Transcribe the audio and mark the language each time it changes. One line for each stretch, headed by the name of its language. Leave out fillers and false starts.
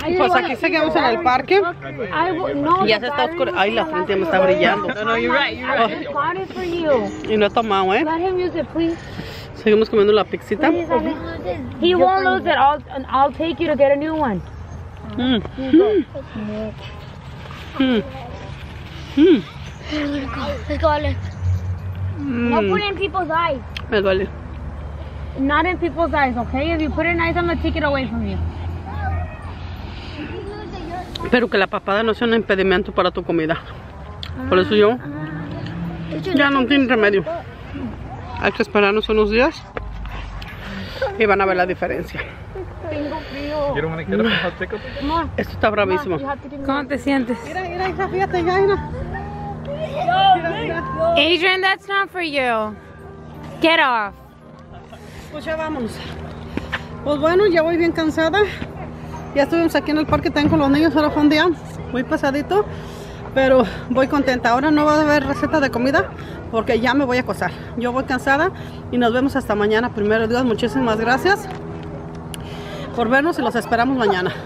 Spanish: Pues aquí seguimos en el parque. Ya se está oscuro. Ay, la frente ya me está brillando.
English: No, you're right.
Spanish: Y no he tomado, ¿eh?
English: Let him use it, please.
Spanish: Seguimos comiendo la pizzita.
English: He won't lose it. I'll take you to get a new one.
Spanish: Me duele.
English: No put in people's eyes.
Spanish: Me duele.
English: Not in people's eyes, okay? If you put it in eyes, I'm gonna take it away from you.
Spanish: Pero que la papada no sea un impedimento para tu comida. Por eso yo ya no tiene remedio. Hay que esperarnos unos días y van a ver la diferencia. Tengo frío. ¿Quieres un
English: hot chicken?
Spanish: Esto está bravísimo. ¿Cómo te sientes? Mira, hija, fíjate, ya.
English: Adrian, that's not for you. Get off.
Spanish: Pues ya vamos. Pues bueno, ya voy bien cansada. Ya estuvimos aquí en el parque también con los niños. Ahora fue un día muy pesadito, pero voy contenta. Ahora no va a haber receta de comida porque ya me voy a acostar. Yo voy cansada y nos vemos hasta mañana. Primero Dios, muchísimas gracias por vernos y los esperamos mañana.